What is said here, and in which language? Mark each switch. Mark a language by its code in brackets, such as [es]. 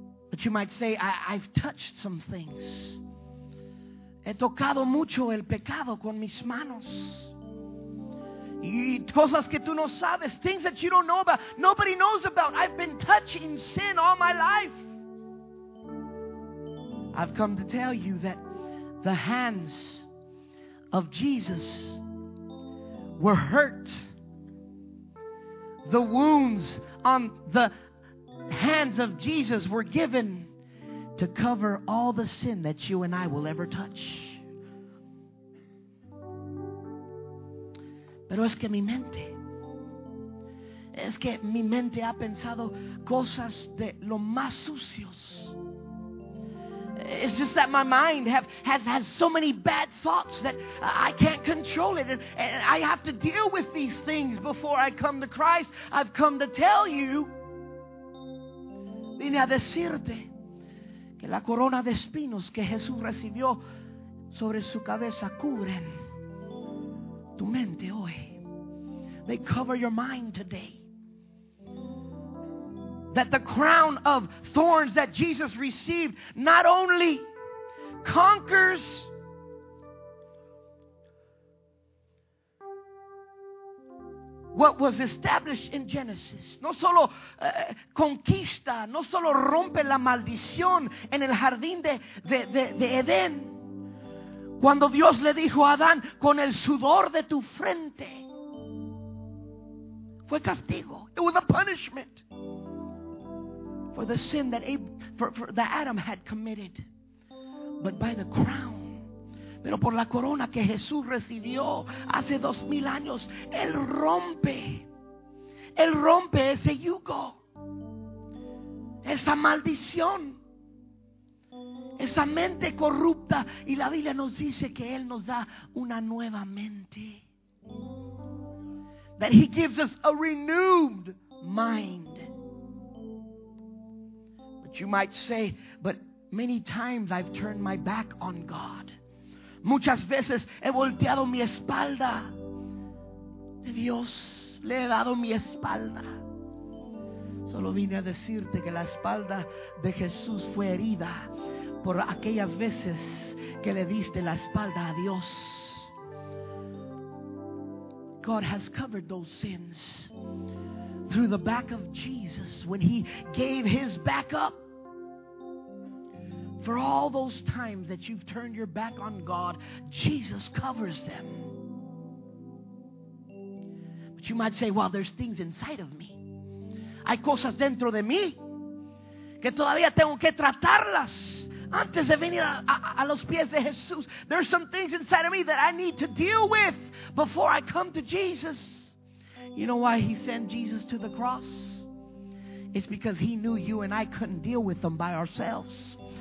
[en] But you might say, I've touched some things. [es] He tocado mucho el pecado con mis manos. Y cosas que tú no sabes. [en] Things that you don't know about. Nobody knows about. I've been touching sin all my life. I've come to tell you that the hands of Jesus were hurt. The wounds on the hands of Jesus were given to cover all the sin that you and I will ever touch. [es] Pero es que mi mente ha pensado cosas de lo más sucios. [en] It's just that my mind has so many bad thoughts that I can't control it. And I have to deal with these things before I come to Christ. I've come to tell you. [es] Vine a decirte que la corona de espinos que Jesús recibió sobre su cabeza cubren tu mente hoy. [en] they cover your mind today. That the crown of thorns that Jesus received not only conquers what was established in Genesis. [es] No solo conquista, no solo rompe la maldición en el jardín de Edén. Cuando Dios le dijo a Adán, con el sudor de tu frente. Fue castigo. [en] It was a punishment for the sin that that Adam had committed. But by the crown, [es] pero por la corona que Jesús recibió hace 2,000 años, Él rompe ese yugo, esa maldición, esa mente corrupta. Y la Biblia nos dice que Él nos da una nueva mente. [en] That He gives us a renewed mind. But you might say, but many times I've turned my back on God. [es] Muchas veces he volteado mi espalda de Dios. Le he dado mi espalda. Solo vine a decirte que la espalda de Jesús fue herida por aquellas veces que le diste la espalda a Dios. [en] God has covered those sins through the back of Jesus when He gave His back up. For all those times that you've turned your back on God, Jesus covers them. But you might say, well, there's things inside of me. [es] Hay cosas dentro de mí que todavía tengo que tratarlas antes de venir a los pies de Jesús. [en] There's some things inside of me that I need to deal with before I come to Jesus. You know why He sent Jesus to the cross? It's because He knew you and I couldn't deal with them by ourselves.